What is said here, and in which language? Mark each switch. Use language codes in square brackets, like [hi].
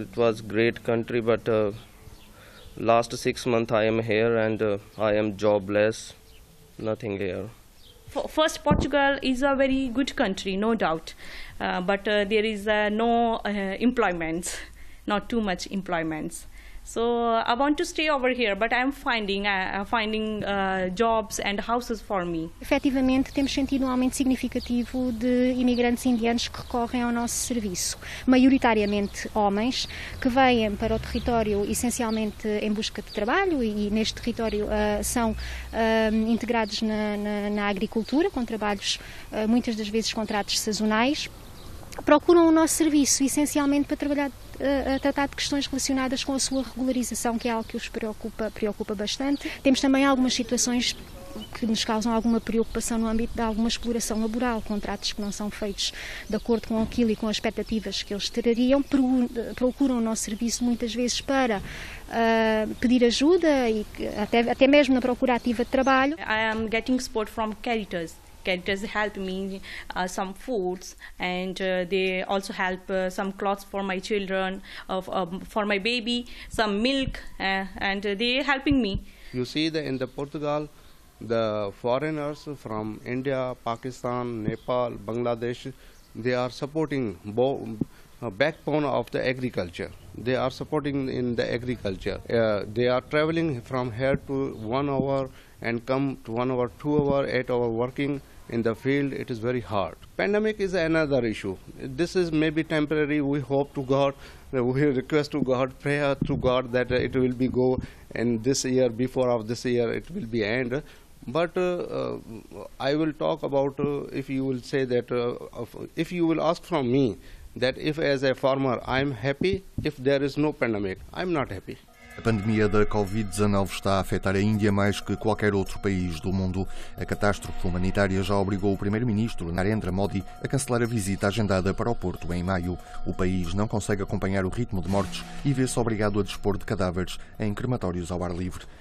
[en] It was great country, but last 6 months I am here and I am jobless, nothing here. First, Portugal is a very good country, no doubt, but there is no employment, not too much employment. So I want to stay over here, but I'm finding jobs and houses for me. [pt] Efetivamente, temos sentido um aumento significativo de imigrantes indianos que recorrem ao nosso serviço, maioritariamente homens, que vêm para o território essencialmente em busca de trabalho e neste território são integrados na agricultura, com trabalhos, muitas das vezes contratos sazonais. Procuram o nosso serviço essencialmente para trabalhar, a tratar de questões relacionadas com a sua regularização, que é algo que os preocupa bastante. Temos também algumas situações que nos causam alguma preocupação no âmbito de alguma exploração laboral, contratos que não são feitos de acordo com aquilo e com as expectativas que eles terariam. Procuram o nosso serviço muitas vezes para pedir ajuda e até mesmo na procura ativa de trabalho. [en] I am getting support from Caritas. Caritas help me some foods and they also help some clothes for my children, for my baby, some milk, and they helping me. You see that in the Portugal, the foreigners from India, Pakistan, Nepal, Bangladesh, they are supporting backbone of the agriculture. They are supporting in the agriculture. They are traveling from here to 1 hour and come to 1 hour, 2 hour, 8 hour working. In the field, it is very hard. Pandemic is another issue. This is maybe temporary. We hope to God, we request to God, prayer to God that it will be go in this year, before of this year, it will be end. But I will talk about, if you will say that, if you will ask from me, that if as a farmer, I am happy if there is no pandemic, I am not happy. [pt] A pandemia da Covid-19 está a afetar a Índia mais que qualquer outro país do mundo. A catástrofe humanitária já obrigou o primeiro-ministro Narendra Modi a cancelar a visita agendada para o Porto em maio. O país não consegue acompanhar o ritmo de mortes e vê-se obrigado a dispor de cadáveres em crematórios ao ar livre.